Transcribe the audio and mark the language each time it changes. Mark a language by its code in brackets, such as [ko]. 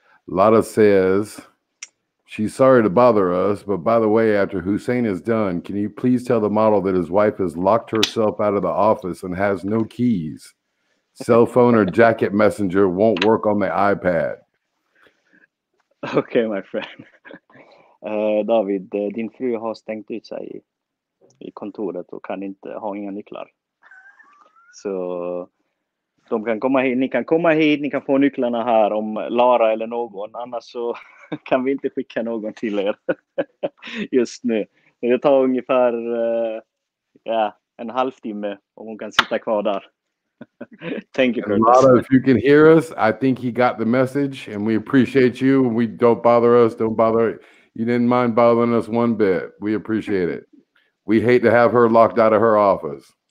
[en] Lada says, she's sorry to bother us, but by the way, after Hussein is done, can you please tell the model that his wife has locked herself out of the office and has no keys? Cell phone or jacket messenger won't work on the iPad. Okay, my friend. [sv] David, din fru har stängt ut sig i kontoret och kan inte ha inga nycklar. Så de kan komma hit, ni kan komma hit, ni kan få nycklarna här om Lara eller någon, annars så kan vi inte skicka någon till er just nu. Men det tar ungefär en halvtimme om hon kan sitta kvar där. [en] Thank you, Curtis. Lada, if you can hear us, I think he got the message, and we appreciate you. We don't bother us. Don't bother. You didn't mind bothering us one bit. We appreciate it. We hate to have her locked out of her office.